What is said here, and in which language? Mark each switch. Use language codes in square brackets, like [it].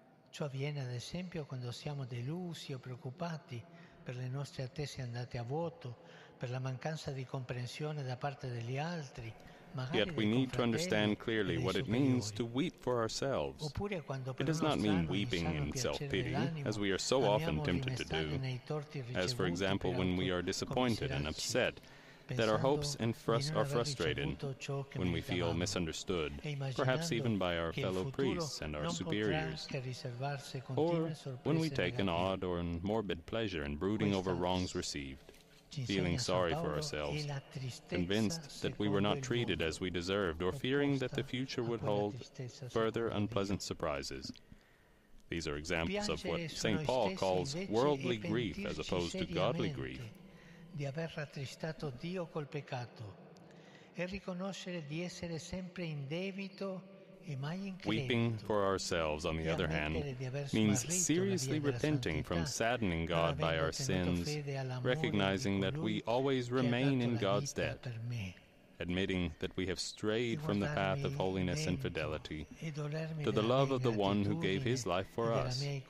[it] Ciò avviene ad esempio quando siamo delusi o preoccupati per le nostre attese andate a vuoto, per la mancanza di comprensione da parte degli altri. [en] Yet we need to understand clearly what it means to weep for ourselves. It does not mean weeping in self-pity, as we are so often tempted to do, as for example when we are disappointed and upset that our hopes and are frustrated, when we feel misunderstood, perhaps even by our fellow priests and our superiors, or when we take an odd or morbid pleasure in brooding over wrongs received, feeling sorry for ourselves, convinced that we were not treated as we deserved, or fearing that the future would hold further unpleasant surprises. These are examples of what St. Paul calls worldly grief as opposed to godly grief. [it] Di aver rattristato Dio col peccato e riconoscere di essere sempre in debito [en] Weeping for ourselves, on the other hand, means seriously repenting from saddening God by our sins, recognizing that we always remain in God's debt, admitting that we have strayed from the path of holiness and fidelity to the love of the one who gave his life for us.